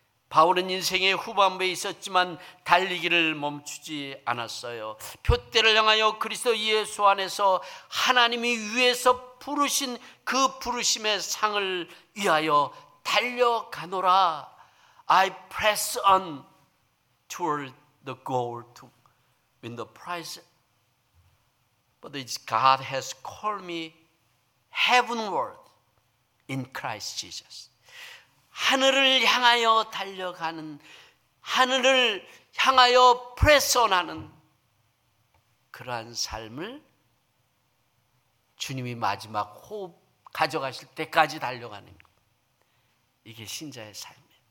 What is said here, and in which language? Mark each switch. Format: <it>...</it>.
<ko>바울은 인생의 후반부에 있었지만 달리기를 멈추지 않았어요. 푯대를 향하여 그리스도 예수 안에서 하나님이 위에서 부르신 그 부르심의 상을 위하여 달려가노라.</ko> <en>I press on toward the goal to win the prize. But God has called me heavenward in Christ Jesus.</en> <ko>하늘을 향하여 달려가는, 하늘을 향하여 프레스온하는 그러한 삶을 주님이 마지막 호흡 가져가실 때까지 달려가는 것, 이게 신자의 삶이에요.</ko>